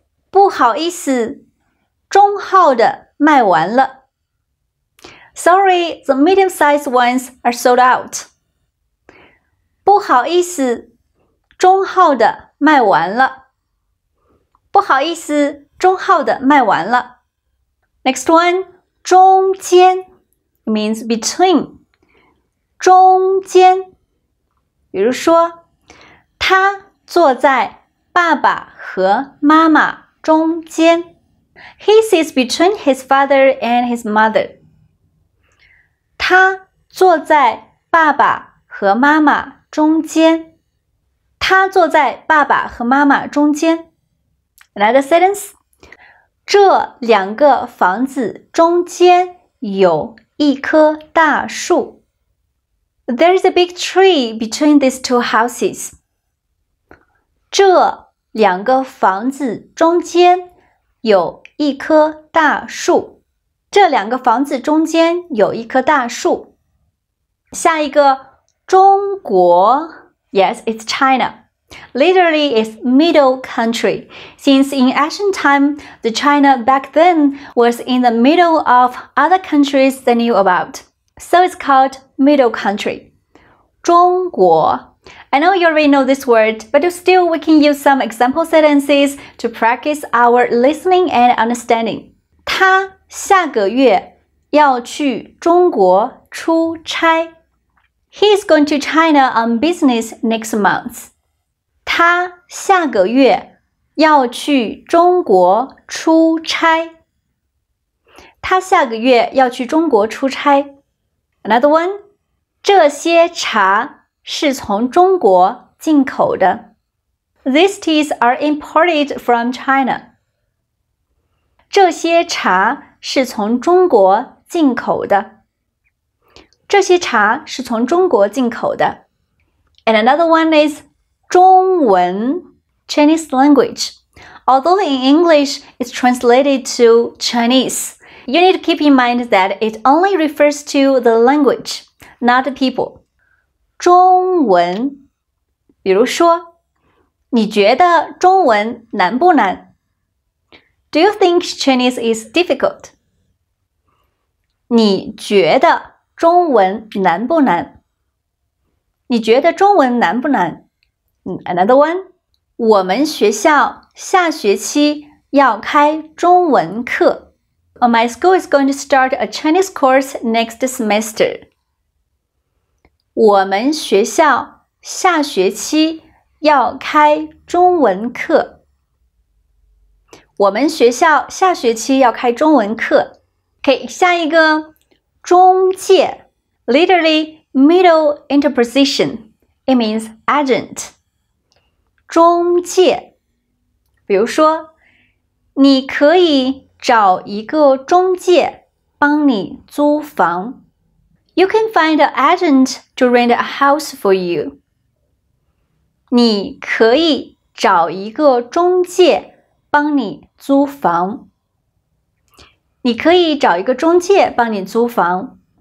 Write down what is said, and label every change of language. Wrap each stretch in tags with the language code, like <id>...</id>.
<zh>不好意思,中号的卖完了。</zh> <en>Sorry, the medium size ones are sold out.</en> <zh>不好意思，中号的卖完了。不好意思，中号的卖完了。</zh> <en>Next one, 中间 means between.</en> <zh>中间，比如说，他坐在爸爸和妈妈中间。</zh> <en>He sits between his father and his mother.</en> <zh>他坐在爸爸和妈妈。中间，他坐在爸爸和妈妈中间。</zh> <en>Another sentence.</en> <zh>这两个房子中间有一棵大树。</zh> <en>There is a big tree between these two houses.</en> <zh>这两个房子中间有一棵大树。这两个房子中间有一棵大树。下一个。中国</zh> <en>Yes, it's China. Literally, it's middle country. Since in ancient time, the China back then was in the middle of other countries they knew about. So it's called middle country.</en> <zh>中国</zh> <en>I know you already know this word, but still we can use some example sentences to practice our listening and understanding.</en> <zh>他下个月要去中国出差。</zh> <en>He is going to China on business next month.</en> <zh>他下个月要去中国出差。他下个月要去中国出差。</zh> <en>Another one.</en> <zh>这些茶是从中国进口的。</zh> <en>These teas are imported from China.</en> <zh>这些茶是从中国进口的。这些茶是从中国进口的。</zh> <en>And another one is 中文 Chinese language. Although in English it's translated to Chinese, you need to keep in mind that it only refers to the language, not the people.</en> <zh>中文比如说你觉得中文难不难?</zh> <en>Do you think Chinese is difficult?</en> <zh>你觉得中文难不难? 你觉得中文难不难?</zh> <en>Another one.</en> <zh>我们学校下学期要开中文课。</zh> <en>My school is going to start a Chinese course next semester.</en> <zh>我们学校下学期要开中文课。我们学校下学期要开中文课。</zh> <en>OK,</en> <zh>下一个。</zh> <en>中介 literally middle interposition. It means agent.</en> <zh>中介比如说你可以找一个中介帮你租房。</zh> <en>You can find an agent to rent a house for you.</en> <zh>你可以找一个中介帮你租房。你可以找一个中介帮你租房。</zh>